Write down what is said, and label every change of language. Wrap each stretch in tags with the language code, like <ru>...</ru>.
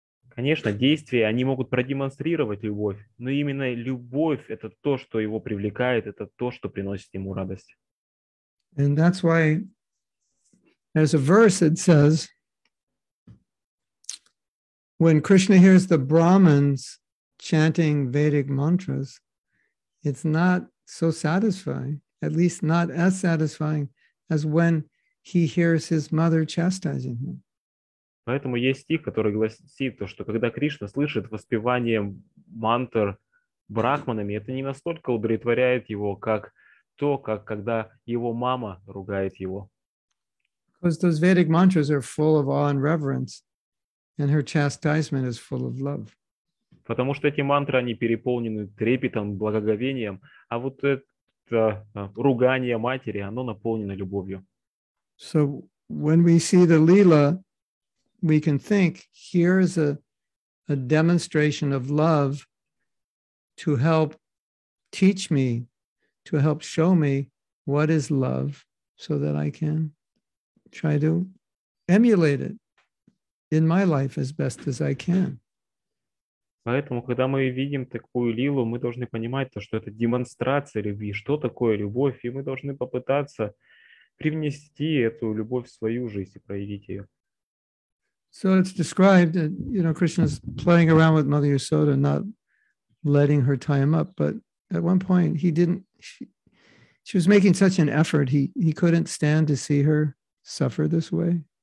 <ru>Конечно, действия, они могут продемонстрировать любовь, но именно любовь – это то, что его привлекает, это то, что приносит ему радость.</ru> <en>And that's why there's a verse that says, when Krishna hears the Brahmins chanting Vedic mantras, it's not so satisfying, at least not as satisfying as when he hears his mother chastising him.</en> <ru>Поэтому есть стих, который гласит то, что когда Кришна слышит воспевание мантр брахманами, это не настолько удовлетворяет его, как то, как когда его мама ругает его.</ru> <en>Because those Vedic mantras are full of awe and reverence, and her chastisement is full of love.</en> <ru>Потому что эти мантры, они переполнены трепетом, благоговением, а вот это ругание матери, оно наполнено любовью.</ru> <en>So when we see the lila, we can think, here is a demonstration of love to help teach me, to help show me what is love so that I can try to emulate it in my life as best as I can.</en> <ru>Поэтому, когда мы видим такую лилу, мы должны понимать, то, что это демонстрация любви, что такое любовь, и мы должны попытаться привнести эту любовь в свою жизнь и проявить ее.</ru> <en>So it's described that, you know, Krishna's playing around with Mother Yasoda, not letting her tie him up. But at one point, she was making such an effort, he couldn't stand to see her suffer this way.</en>